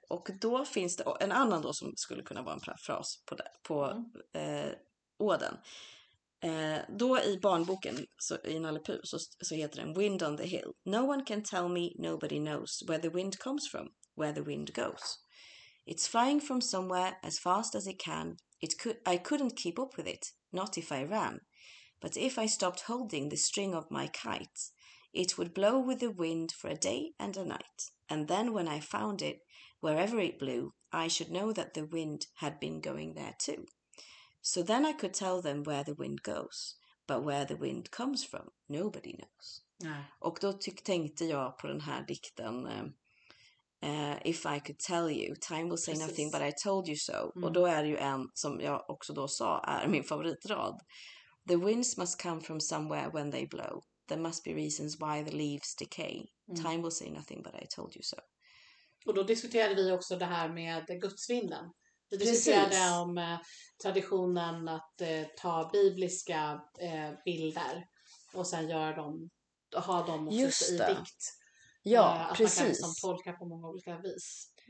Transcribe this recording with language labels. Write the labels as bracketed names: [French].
[Swedish] Och då finns det en annan då som skulle kunna vara en fras på, det, på Auden. Då i barnboken så, i Nalle Puh, så heter den Wind on the Hill. [English] No one can tell me, nobody knows where the wind comes from, where the wind goes. It's flying from somewhere as fast as it can. I couldn't keep up with it, not if I ran. But if I stopped holding the string of my kite, it would blow with the wind for a day and a night. And then when I found it, wherever it blew, I should know that the wind had been going there too. So then I could tell them where the wind goes, but where the wind comes from, nobody knows. [Swedish] Nej. Och då tänkte jag på den här dikten, [English] If I could tell you, time will say [Swedish] precis. [English] Nothing but I told you so. [Swedish] Mm. Och då är det ju en, som jag också då sa, är min favoritrad. [English] The winds must come from somewhere when they blow. There must be reasons why the leaves decay. Time will say nothing but I told you so. [Swedish] Och då diskuterade vi också det här med gudsvinden. Vi diskuterade om traditionen att ta bibliska bilder och sen göra dem, ha dem också i dikt. Ja, att precis. Att man kan liksom tolka på många olika vis.